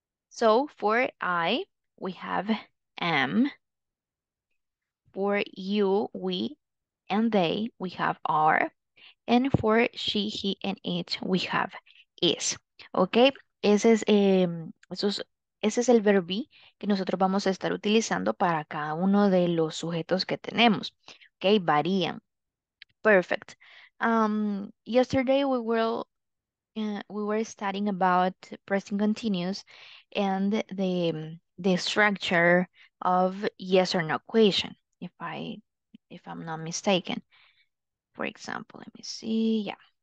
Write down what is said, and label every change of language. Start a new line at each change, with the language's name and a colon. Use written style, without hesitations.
English: So for I we have am. For you we and they we have are, and for she he and it we have is. Okay.
Spanish: Ese es esos Ese es el verb be que nosotros vamos a estar utilizando para cada uno de los sujetos que tenemos. Ok, varían. Perfect.
English: Yesterday we were studying about present continuous and the structure of yes or no question, if I'm not mistaken. For example, let me see. Yeah.